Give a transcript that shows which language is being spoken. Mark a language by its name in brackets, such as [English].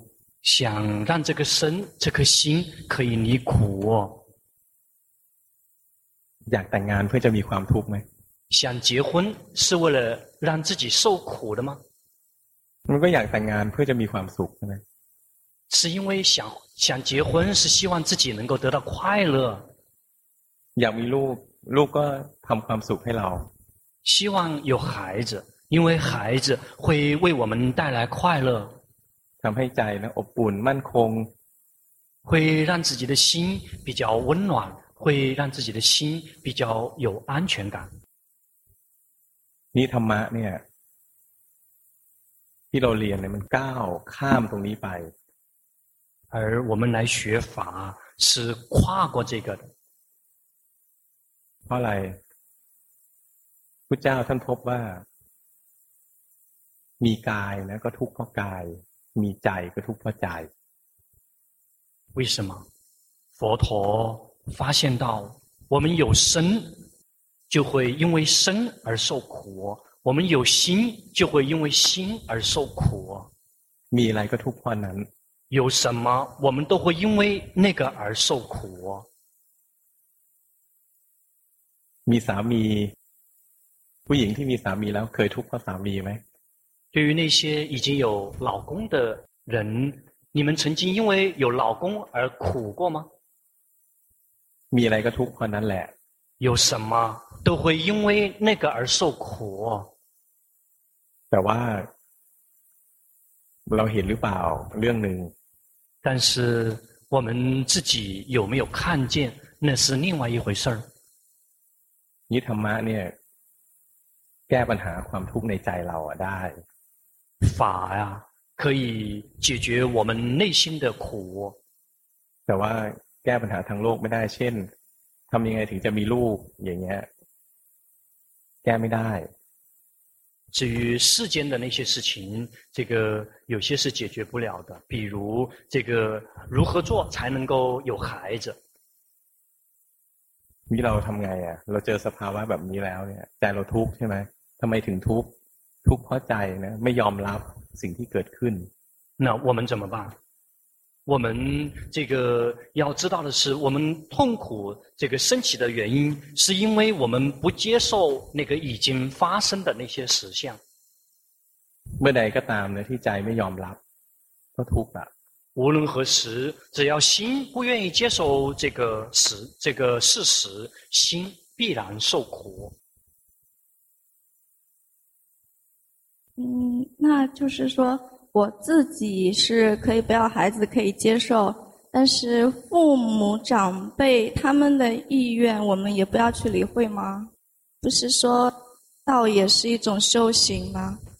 [Chinese] 想让这颗身这颗心可以离苦 [Thai] อยากแต่งงานเพื่อจะมีความทุกข์ไหม [Chinese] 想结婚是为了让自己受苦的吗 [Thai] มันก็อยากแต่งงานเพื่อจะมีความสุขใช่ไหม [Chinese] 是因为想结婚是希望自己能够得到快乐 [Thai] อยากมีลูกลูกก็ทำความสุขให้เรา [Chinese] 希望有孩子因为孩子会为我们带来快乐 [Thai] ทำให้ใจนะอบอุ่นมั่นคง [Chinese] 会让自己的心比较温暖会让自己的心比较有安全感 [Thai] นี่ธรรมะเนี่ยที่เราเรียนเนี่ยมันก้าวข้ามตรงนี้ไป [Chinese] 而我们来学法是跨过这个的。 [Thai] เพราะอะไร พุทธเจ้าท่านพบว่ามีกายนะก็ทุกข์เพราะกายมีใจก็ทุกข์เพราะใจ [Chinese] 为什么佛陀发现到我们有身就会因为身而受苦我们有心就会因为心而受苦 [Thai] มีอะไรก็ทุกข์เพราะนั้น [Chinese] 有什么我们都会因为那个而受苦 [Thai] มีสามี ผู้หญิงที่มีสามีแล้วเคยทุกข์เพราะสามีไหม [Chinese] 对于那些已经有老公的人你们曾经因为有老公而苦过吗 [Thai] มีอะไรก็ทุกข์เพราะนั้นแหละ [Chinese] 有什么都会因为那个而受苦 [Thai] แต่ว่าเราเห็นหรือเปล่าเรื่องนึง [Chinese] 但是我们自己有没有看见那是另外一回事 [Thai] นี่ธรรมะเนี่ยแก้ปัญหาความทุกข์ในใจเราได้ [Chinese] ฝ่าอ่ะ可以解决我们内心的苦 [Thai] แต่ว่าแก้ปัญหาทางโลกไม่ได้เช่นทำยังไงถึงจะมีลูกอย่างเงี้ยแก้ไม่ได้ [Chinese] 至于世间的那些事情这个有些是解决不了的比如这个如何做才能够有孩子 [Thai] นี่เราทำไงอ่ะเราเจอสภาวะแบบนี้แล้วเนี่ยใจเราทุกข์ใช่ไหมทำไมถึงทุกข์ทุกข์เพราะใจนะไม่ยอมรับสิ่งที่เกิดขึ้น [Chinese] 那我们怎么办我们这个要知道的是我们痛苦这个升起的原因是因为我们不接受那个已经发生的那些实相 [Thai] เมื่อใดก็ตามนะที่ใจไม่ยอมรับก็ทุกข์อ่ะ [Chinese] 无论何时只要心不愿意接受这个事实心必然受苦那就是说我自己是可以不要孩子可以接受但是父母长辈他们的意愿我们也不要去理会吗不是说道也是一种修行吗